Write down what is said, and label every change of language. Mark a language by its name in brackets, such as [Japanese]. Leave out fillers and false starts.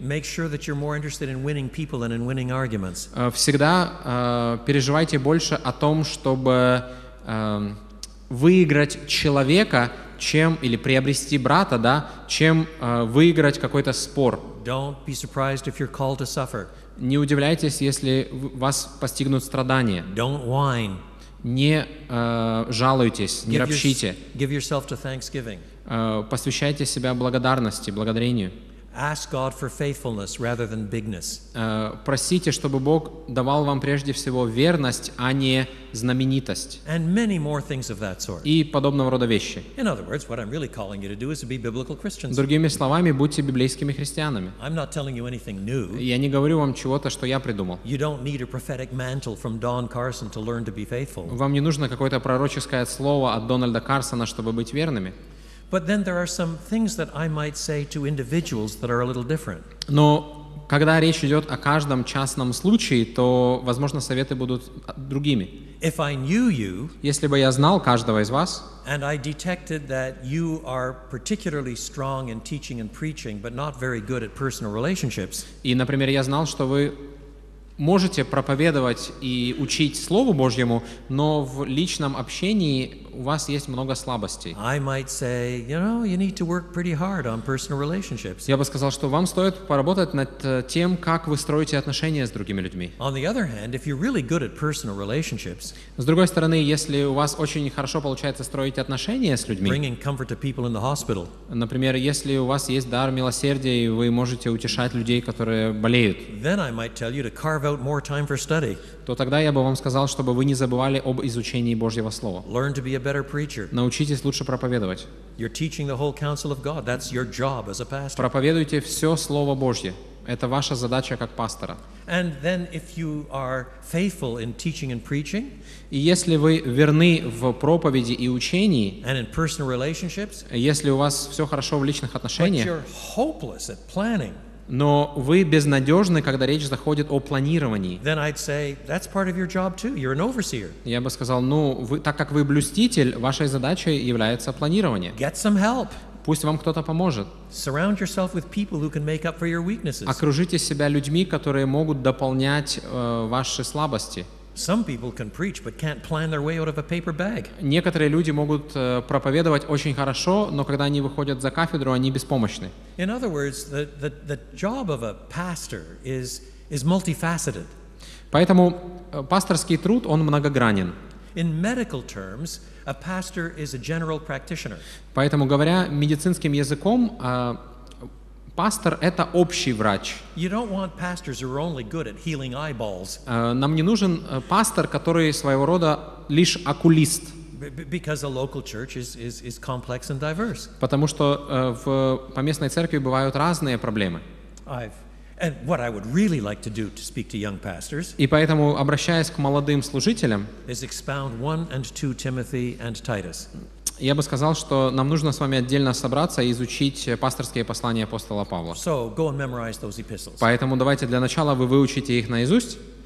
[English] Make sure that you're more interested in winning people than in winning arguments. [Russian] Всегда переживайте больше о том, чтобы выиграть человека, чем или приобрести брата, да, чем выиграть какой-то спор. [English] Don't be surprised if you're called to suffer. [Russian] Не удивляйтесь, если вас постигнут страдания. [English] Don't whine. [Russian] Не жалуйтесь, не ропщите. [English] Give yourself to thanksgiving. [Russian] Посвящайте себя благодарности, благодарению. [English] Ask God for faithfulness rather than bigness. [Russian] Просите, чтобы Бог давал вам прежде всего верность, а не знаменитость. [English] And many more things of that sort. [Russian] И подобного рода вещи. [English] In other words, what I'm really calling you to do is to be biblical Christians. [Russian] Другими словами, будьте библейскими христианами. [English] I'm not telling you anything new. [Russian] Я не говорю вам чего-то, что я придумал. [English] You don't need a prophetic mantle from Don Carson to learn to be faithful. [Russian] Вам не нужно какое-то пророческое слово от Дональда Карсона, чтобы быть верными. [English] But then there are some things that I might say to individuals that are a little different. [Russian] Но когда речь идет о каждом частном случае, то, возможно, советы будут другими. [English] If I knew you, [Russian] если бы я знал каждого из вас, [English] and I detected that you are particularly strong in teaching and preaching, but not very good at personal relationships, [Russian] и, например, я знал, что вы можете проповедовать и учить Слову Божьему, но в личном общении у вас есть много слабостей. Я бы сказал, что вам стоит поработать над тем, как вы строите отношения с другими людьми. С другой стороны, если у вас очень хорошо получается строить отношения с людьми, например, если у вас есть дар милосердия, и вы можете утешать людей, которые болеют, [English] more time for study. [Russian] То тогда я бы вам сказал, чтобы вы не забывали об изучении Божьего слова. [English] Learn to be a better preacher. [Russian] Научитесь лучше проповедовать. [English] You're teaching the whole counsel of God. That's your job as a pastor. [Russian] Проповедуйте все слово Божье. Это ваша задача как пастора. [English] And then if you are faithful in teaching and preaching, [Russian] и если вы верны в проповеди и учении, [English] and in personal relationships, [Russian] если у вас все хорошо в личных отношениях, [English] but you're hopeless at planning, [Russian] но вы безнадежны, когда речь заходит о планировании. [English] Then I'd say, that's part of your job too. You're an overseer. [Russian] Я бы сказал, ну, вы, так как вы блюститель, вашей задачей является планирование. [English] Get some help. [Russian] Пусть вам кто-то поможет. [English] Surround yourself with people who can make up for your weaknesses. [Russian] Окружите себя людьми, которые могут дополнять ваши слабости. [English] Some people can preach, but can't plan their way out of a paper bag. [Russian] Некоторые люди могут проповедовать очень хорошо, но когда они выходят за кафедру, они беспомощны. [English] In other words, the job of a pastor is multifaceted. [Russian] Поэтому пасторский труд, он многогранен. [English] In medical terms, a pastor is a general practitioner. [Russian] Поэтому говоря медицинским языком, пастор — это общий врач. [English] You don't want pastors who are only good at healing eyeballs. [Russian] Нам не нужен пастор, который своего рода лишь окулист. [English] Because a local church is complex and diverse. [Russian] Потому что в поместной церкви бывают разные проблемы. [English] And what I would really like to do to speak to young pastors, [Russian] и поэтому, обращаясь к молодым служителям, [English] is expound 1 and 2 Timothy and Titus. [Russian] Я бы сказал, что нам нужно с вами отдельно собраться и изучить пасторские послания апостола Павла. [English] So, go and memorize those epistles. [Russian] Поэтому давайте для начала вы выучите их наизусть.